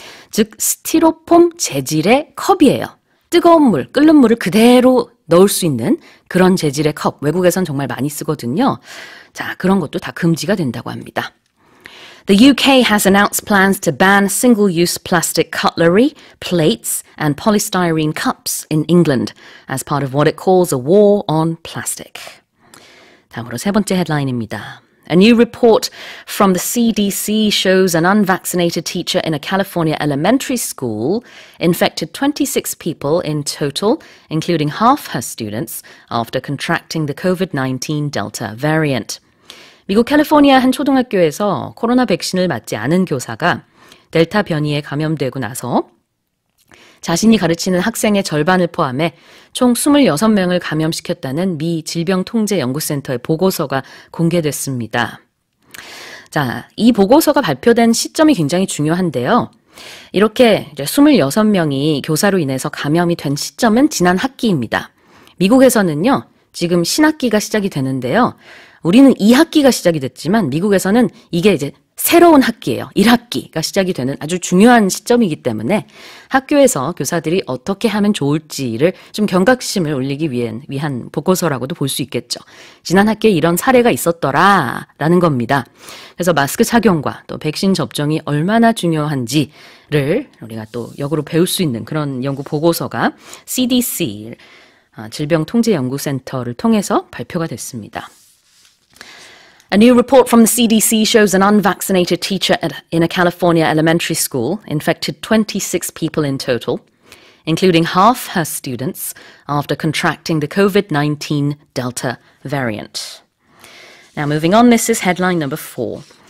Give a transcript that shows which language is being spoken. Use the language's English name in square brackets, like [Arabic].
[Korean] 즉 스티로폼 재질의 컵이에요. 뜨거운 물, 끓는 물을 그대로 넣을 수 있는 그런 재질의 컵. 외국에선 정말 많이 쓰거든요. 자, 그런 것도 다 금지가 된다고 합니다. [English] The UK has announced plans to ban single-use plastic cutlery, plates, and polystyrene cups in England as part of what it calls a war on plastic. [Korean] 다음으로 세 번째 헤드라인입니다. [English] A new report from the CDC shows an unvaccinated teacher in a California elementary school infected 26 people in total, including half her students, after contracting the COVID-19 Delta variant. [Korean] 미국 캘리포니아 한 초등학교에서 코로나 백신을 맞지 않은 교사가 델타 변이에 감염되고 나서 자신이 가르치는 학생의 절반을 포함해 총 26명을 감염시켰다는 미 질병통제연구센터의 보고서가 공개됐습니다. 자, 이 보고서가 발표된 시점이 굉장히 중요한데요. 이렇게 이제 26명이 교사로 인해서 감염이 된 시점은 지난 학기입니다. 미국에서는요, 지금 신학기가 시작이 되는데요. 우리는 2학기가 시작이 됐지만 미국에서는 이게 이제 새로운 학기예요. 1학기가 시작이 되는 아주 중요한 시점이기 때문에 학교에서 교사들이 어떻게 하면 좋을지를 좀 경각심을 올리기 위한 보고서라고도 볼 수 있겠죠. 지난 학기에 이런 사례가 있었더라라는 겁니다. 그래서 마스크 착용과 또 백신 접종이 얼마나 중요한지를 우리가 또 역으로 배울 수 있는 그런 연구 보고서가 CDC, 질병통제연구센터를 통해서 발표가 됐습니다. [English] A new report from the CDC shows an unvaccinated teacher in a California elementary school infected 26 people in total, including half her students, after contracting the COVID-19 Delta variant. Now moving on, this is headline number four.